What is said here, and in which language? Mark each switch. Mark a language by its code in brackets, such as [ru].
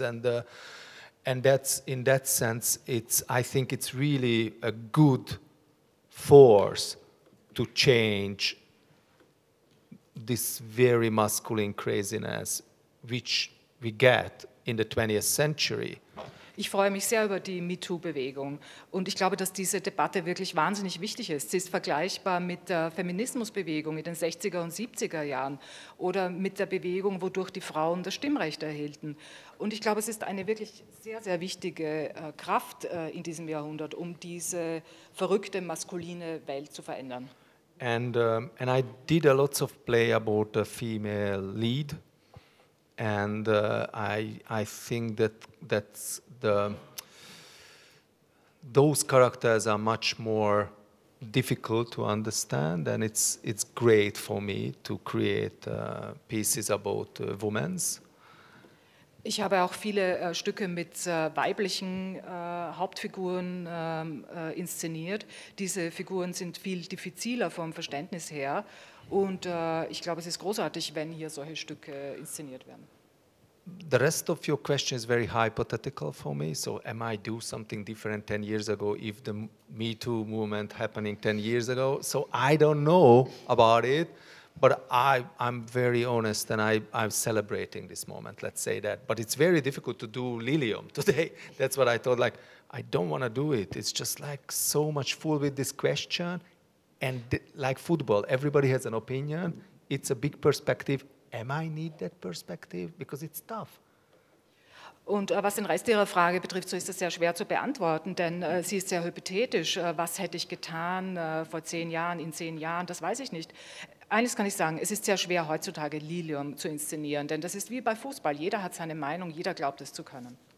[en] And that's, in that sense, I think it's really a good force to change this very masculine craziness which we get in the 20th century. [de] Ich freue mich sehr über die MeToo-Bewegung und ich glaube, dass diese Debatte wirklich wahnsinnig wichtig ist. Sie ist vergleichbar mit der Feminismusbewegung in den 60er und 70er Jahren oder mit der Bewegung, wodurch die Frauen das Stimmrecht erhielten. Und ich glaube, es ist eine wirklich sehr, sehr wichtige Kraft in diesem Jahrhundert, um diese verrückte, maskuline Welt zu verändern. [en] And I did a lot of play about the female lead and I think that's those characters are much more difficult to understand, and it's great for me to create pieces about women. [de] Ich habe auch viele Stücke mit weiblichen Hauptfiguren inszeniert. Diese Figuren sind viel diffiziler vom Verständnis her, und ich glaube, es ist großartig, wenn hier solche Stücke inszeniert werden. [en] The rest of your question is very hypothetical for me. So am I do something different 10 years ago if the Me Too movement happening 10 years ago? So I don't know about it, but I'm very honest and I'm celebrating this moment, let's say that. But it's very difficult to do Lilium today. That's what I thought, like, I don't want to do it. It's just like so much fool with this question. And like football, everybody has an opinion. It's a big perspective. am I need that perspective? Because it's tough. [de] Und was den Rest Ihrer Frage betrifft, so ist es sehr schwer zu beantworten, denn sie ist sehr hypothetisch. Was hätte ich getan vor 10 Jahren, in 10 Jahren, das weiß ich nicht. Eines kann ich sagen, es ist sehr schwer heutzutage Lilium zu inszenieren, denn das ist wie bei Fußball, jeder hat seine Meinung, jeder glaubt es zu können.